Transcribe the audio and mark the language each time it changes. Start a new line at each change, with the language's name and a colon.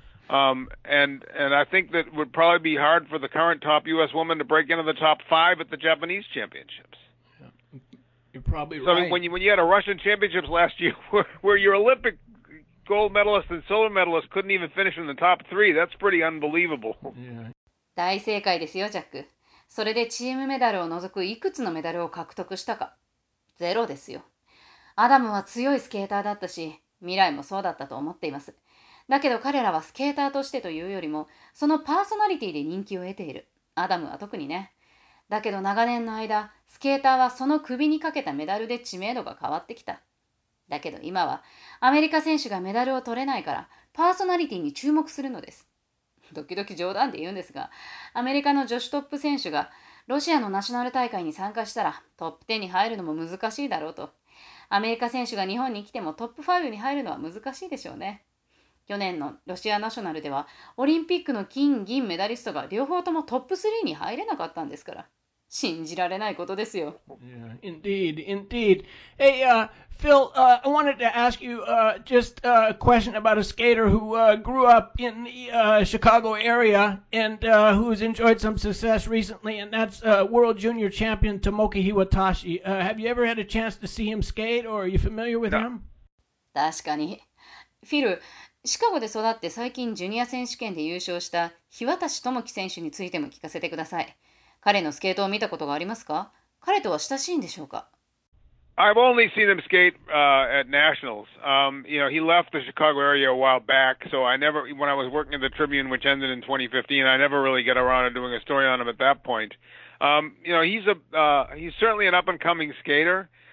English: and I think that it would probably be hard for the current top U.S. woman to break into the top 5 at the Japanese championships. You're probably so, right. I mean, when you had a Russian championships last year where your Olympic gold medalist and silver medalist couldn't even finish in the top three, that's pretty unbelievable. Yeah.
Japanese: 大正解ですよ、ジャック。それでチームメダルを除くいくつのメダルを獲得したか。ゼロですよ。アダムは強いスケーターだったし、未来もそうだったと思っています。だけど彼らはスケーターとしてというよりも、そのパーソナリティで人気を得ている。アダムは特にね。だけど長年の間、スケーターはその首にかけたメダルで知名度が変わってきた。だけど今は、アメリカ選手がメダルを取れないから、パーソナリティに注目するのです。ドキドキ冗談で言うんですが、アメリカの女子トップ選手がロシアのナショナル大会に参加したらトップ10に入るのも難しいだろうと。アメリカ選手が日本に来てもトップ5に入るのは難しいでしょうね。去年のロシアナショナルではオリンピックの金銀メダリストが両方ともトップ3に入れなかったんですから、信じられないことですよ。
English: Yeah, indeed, indeed. Hey, Phil, I wanted to ask you just a question about a skater who grew up in the Chicago area and who's enjoyed some success recently, and that's World Junior Champion Tomoki Iwatashi. Have you ever had a chance to see him skate, or are you familiar with him?
Japanese: 確かに。フィル、シカゴで育って最近ジュニア選手権で優勝した日渡智樹選手についても聞かせてください。彼のスケートを見たことがありますか？彼とは親しいんでしょうか？
English: I've only seen him skate at nationals. You know, he left the Chicago area a while back, so I never, when I was working at the Tribune, which ended in 2015, I never really got around to doing a story on him at that point. You know, he's certainly an up-and-coming skater.